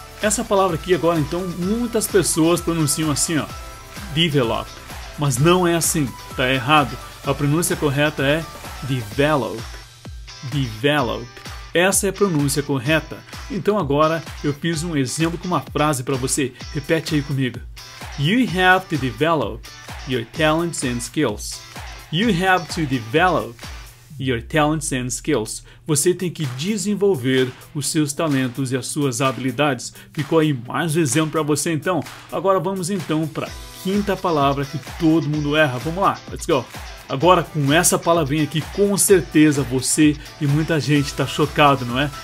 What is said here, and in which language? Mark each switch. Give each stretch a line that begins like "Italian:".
Portuguese: Essa palavra aqui agora então, muitas pessoas pronunciam assim, ó. Develop. Mas não é assim, tá errado. A pronúncia correta é develop, develop. Essa é a pronúncia correta. Então agora eu fiz um exemplo com uma frase para você. Repete aí comigo.
English: You have to develop your talents and skills. You have to develop your talents and skills.
Portuguese: Você tem que desenvolver os seus talentos e as suas habilidades. Ficou aí mais um exemplo para você então. Agora vamos então para quinta palavra que todo mundo erra. Vamos lá,
English: let's go.
Portuguese: Agora com essa palavrinha aqui, com certeza você e muita gente está chocado, não é?